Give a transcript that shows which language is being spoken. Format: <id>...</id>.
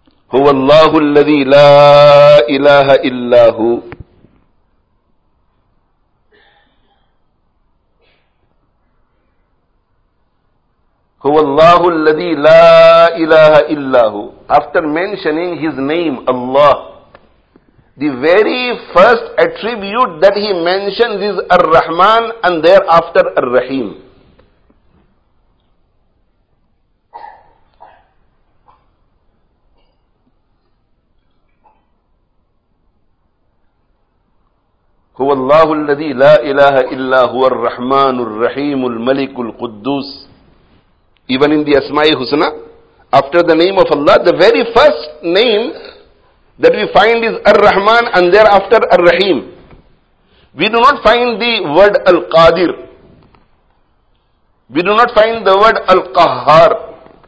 <ar>هو الله الذي لا إله إلا هو. هو الله الذي لا إله إلا هو.</ar> <en>After mentioning his name Allah, the very first attribute that he mentions is Ar-Rahman and thereafter Ar-Rahim.</en> <ar>هو الله الذي لا إله إلا هو الرحمن الرحيم الملك القدوس.</ar> <en>Even in the Asma'i Husna, after the name of Allah, the very first name that we find is Ar-Rahman and thereafter Ar-Rahim. We do not find the word Al-Qadir. We do not find the word Al-Qahhar.</en>